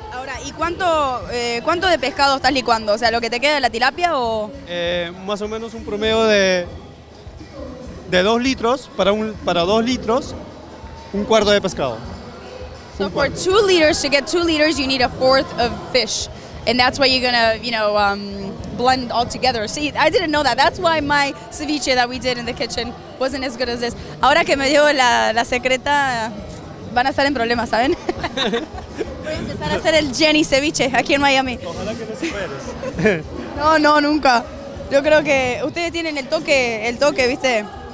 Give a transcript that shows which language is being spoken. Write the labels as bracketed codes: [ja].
[es] Ahora, ¿y cuánto de pescado estás licuando? O sea, ¿lo que te queda de la tilapia o...? Más o menos un promedio de 2 litros, para 2 litros, un cuarto de pescado. [en] So for 2 liters, to get 2 liters, you need a fourth of fish. And that's why you're gonna, you know, blend all together. See, I didn't know that. That's why my ceviche that we did in the kitchen wasn't as good as this. [es] Ahora que me dio la secreta, van a estar en problemas, ¿saben? Voy a empezar a hacer el Jenny ceviche aquí en Miami. Ojalá que no superes. No, nunca. Yo creo que ustedes tienen el toque, ¿viste?